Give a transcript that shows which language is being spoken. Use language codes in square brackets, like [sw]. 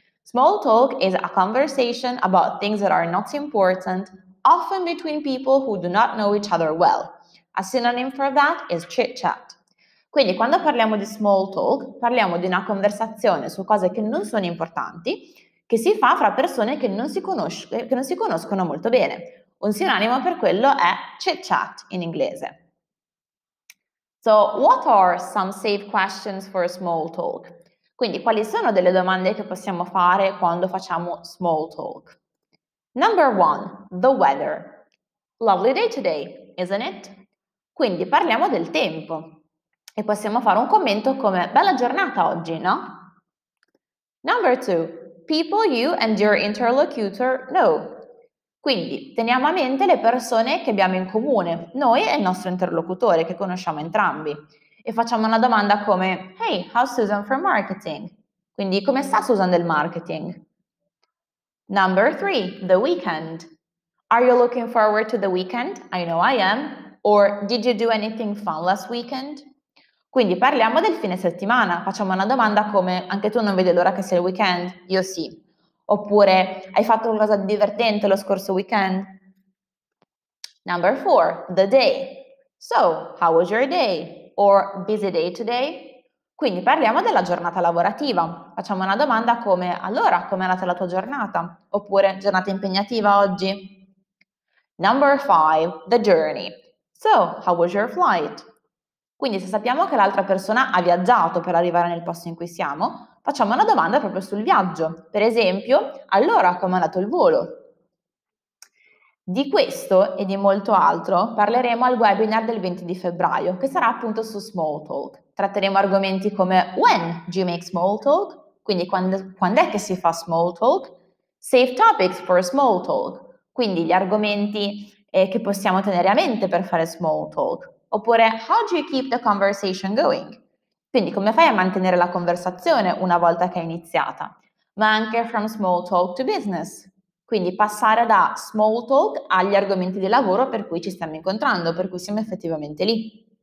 [en] Small talk is a conversation about things that are not important, often between people who do not know each other well. A synonym for that is chit chat. [it] Quindi, quando parliamo di small talk, parliamo di una conversazione su cose che non sono importanti, che si fa fra persone che non si conoscono molto bene. Un sinonimo per quello è chit chat in inglese. [en] So, what are some safe questions for small talk? [it] Quindi, quali sono delle domande che possiamo fare quando facciamo small talk? [en] Number one, the weather. Lovely day today, isn't it? [it] Quindi parliamo del tempo e possiamo fare un commento come bella giornata oggi, no? [en] Number two, people you and your interlocutor know. [it] Quindi teniamo a mente le persone che abbiamo in comune, noi e il nostro interlocutore che conosciamo entrambi. E facciamo una domanda come, [en] hey, how's Susan from marketing? [it] Quindi come sta Susan del marketing? [en] Number three, the weekend. Are you looking forward to the weekend? I know I am. Or did you do anything fun last weekend? [it] Quindi parliamo del fine settimana. Facciamo una domanda come anche tu non vedi l'ora che sia il weekend? Io sì. Oppure hai fatto qualcosa di divertente lo scorso weekend? [en] Number four, the day. So, how was your day? Or busy day today? [it] Quindi parliamo della giornata lavorativa. Facciamo una domanda come, allora, com'è andata la tua giornata? Oppure, giornata impegnativa oggi? [en] Number five, the journey. So, how was your flight? [it] Quindi se sappiamo che l'altra persona ha viaggiato per arrivare nel posto in cui siamo, facciamo una domanda proprio sul viaggio. Per esempio, allora, com'è andato il volo? Di questo e di molto altro parleremo al webinar del 20 di febbraio, che sarà appunto su Small Talk. Tratteremo argomenti come [en] when do you make small talk? [it] Quindi quando è che si fa small talk? [en] Safe topics for small talk? [it] Quindi gli argomenti che possiamo tenere a mente per fare small talk? Oppure [en] how do you keep the conversation going? [it] Quindi come fai a mantenere la conversazione una volta che è iniziata? Ma anche [en] from small talk to business. [it] Quindi passare da small talk agli argomenti di lavoro per cui ci stiamo incontrando, per cui siamo effettivamente lì.